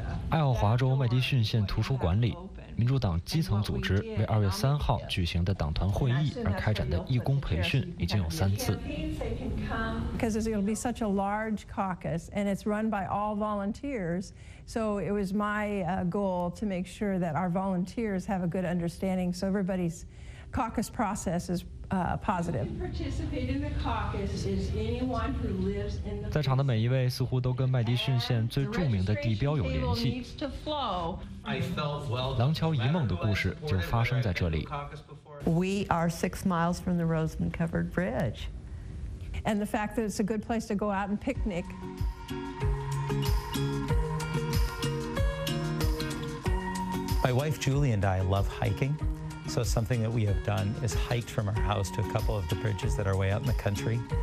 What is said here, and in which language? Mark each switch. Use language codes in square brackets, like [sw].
[zh] 爱奥华州麦迪逊县图书馆里，民主党基层组织为2月3号举行的党团会议而开展的义工培训已经有3次。 [en] Because it'll be such a large caucus and it's run by all volunteers, so it was my goal to make sure that our volunteers have a good understanding, so everybody's caucus process is positive. Participate in the caucus is anyone who lives in the [zh] 在场的每一位似乎都跟麦迪逊县最著名的地标有联系。廊桥一梦的故事就发生在这里。 [en] We are 6 miles from the Roseman Covered Bridge. And the fact that it's a good place to go out and picnic. My wife Julie and I love hiking. So something that we have done is hiked from our house to a couple of the bridges that are way out in the country.